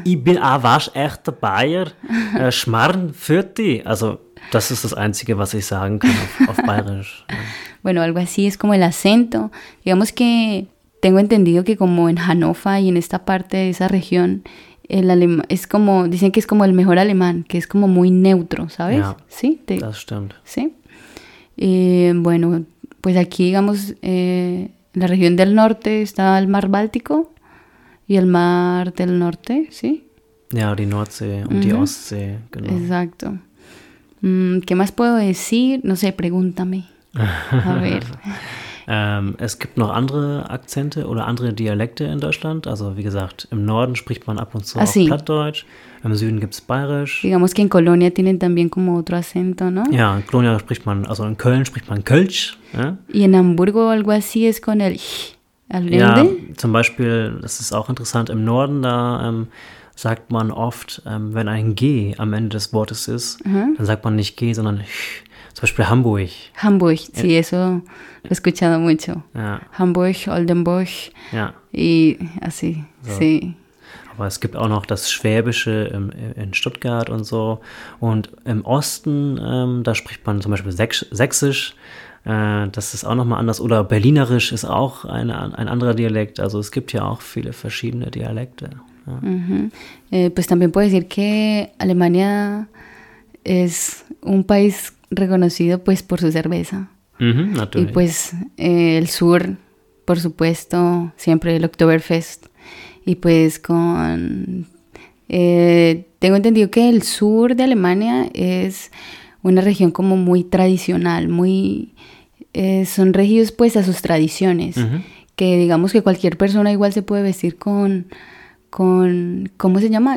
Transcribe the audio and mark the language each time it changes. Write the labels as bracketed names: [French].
[German] ich bin auch was echter Bayer. Schmarrn für die. Also das ist das Einzige, was ich sagen kann auf Bayerisch. Ja. [Spanish] Bueno, algo así es como el acento. Digamos que tengo entendido que como en Hannover y en esta parte de esa región, el alemán es como, dicen que es como el mejor alemán, que es como muy neutro, ¿sabes? Ya, ¿Sí? [German] das stimmt. [Spanish] ¿Sí? Bueno, pues aquí digamos, la región del norte está el mar Báltico y el mar del norte, ¿sí? [German] Ja, die Nordsee und die Ostsee, genau. [Spanish] Exacto. ¿Qué más puedo decir? No sé, pregúntame. A ver. [German] Es gibt noch andere Akzente oder andere Dialekte in Deutschland. Also wie gesagt, im Norden spricht man ab und zu auch [Spanish] Así. [German] Plattdeutsch, im Süden gibt es Bayerisch. [Spanish] Digamos que en Colonia tienen también como otro acento, ¿no? [German] Ja, in Colonia spricht man, also in Köln spricht man Kölsch. Ja? [Spanish] Y en Hamburgo algo así es con el ch, al [German] Ja, ende. zum Beispiel, das ist auch interessant, im Norden, da sagt man oft, wenn ein G am Ende des Wortes ist, dann sagt man nicht G, sondern ch. Zum Beispiel Hamburg. [Spanish] Hamburg, sí, eso lo he escuchado mucho. [German] Ja. [Spanish] Hamburg, Oldenburg [German] Ja. [Spanish] y así, [German] So. [Spanish] sí. [German] Aber es gibt auch noch das Schwäbische in Stuttgart und so. Und im Osten, da spricht man zum Beispiel Sächsisch. Das ist auch nochmal anders. Oder Berlinerisch ist auch ein anderer Dialekt. Also es gibt ja auch viele verschiedene Dialekte. Ja. [Spanish] Pues también puedo decir que Alemania es un país reconocido pues por su cerveza. Y [German] Natürlich. [Spanish] pues el sur, por supuesto, siempre el Oktoberfest. Y pues con tengo entendido que el sur de Alemania es una región como muy tradicional, muy son regidos pues a sus tradiciones, que digamos que cualquier persona igual se puede vestir con ¿cómo se llama?